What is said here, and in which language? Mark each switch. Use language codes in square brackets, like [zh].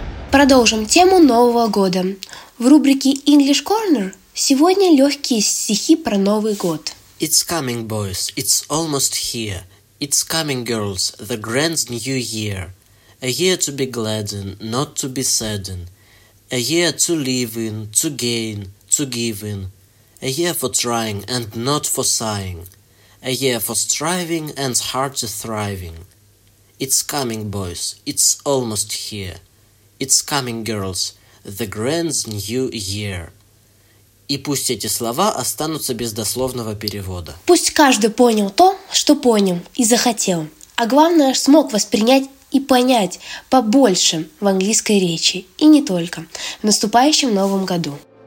[ru] Продолжим тему Нового года. В рубрике «English Corner» сегодня легкие стихи про Новый год. [en] It's coming, boys, it's almost here. It's coming, girls, the grand new year. A year to be gladden, not to be sadden. A year to live in, to gain, to give in. A year for trying and not for sighing. A year for striving and heart thriving. It's coming, boys, it's almost here. It's coming, girls, the grand new year. [ru] И пусть эти слова останутся без дословного перевода. Пусть каждый понял то, что понял и захотел. А главное, смог воспринять и понять побольше в английской речи. И не только. В наступающем новом году.